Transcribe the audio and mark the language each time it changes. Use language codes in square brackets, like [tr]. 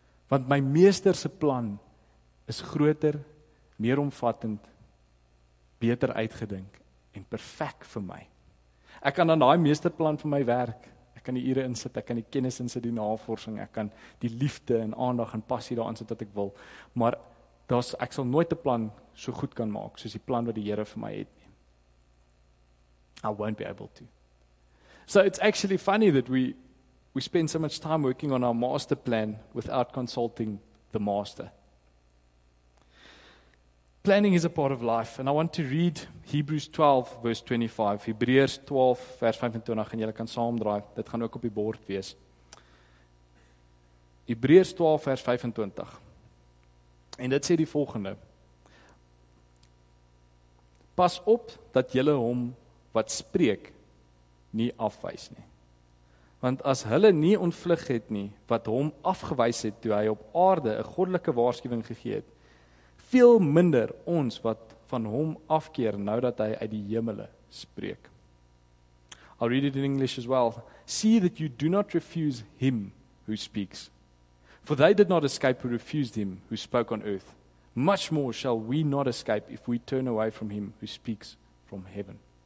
[af] Want my meester se plan is groter, meer omvattend, beter uitgedink en perfek vir my. Ek kan aan daai meesterplan vir my werk. Ek kan die ure insit, ek kan die kennis insit, die navorsing, ek kan die liefde en aandag en passie daarin sit wat ek wil. Maar ek sal nooit 'n plan so goed kan maak soos die plan wat die Here vir my het nie. [en] I won't be able to. So it's actually funny that we spend so much time working on our master plan without consulting the master. Planning is a part of life, and I want to read Hebrews 12, verse 25. [af] Hebreërs 12, vers 25, en julle kan saamdraai, dit gaan ook op die bord wees. Hebreërs 12, vers 25. En dit sê die volgende. Pas op dat julle hom wat spreek nie afwys nie. Want as hulle nie ontvlug het nie, wat hom afgewys het toe hy op aarde 'n goddelike waarskuwing gegee het, veel minder ons wat van hom afkeer nou dat hy uit die hemele spreek. [en] I'll read it in English as well. See that you do not refuse him who speaks. For they did not escape who refused him who spoke on earth. Much more shall we not escape if we turn away from him who speaks from heaven.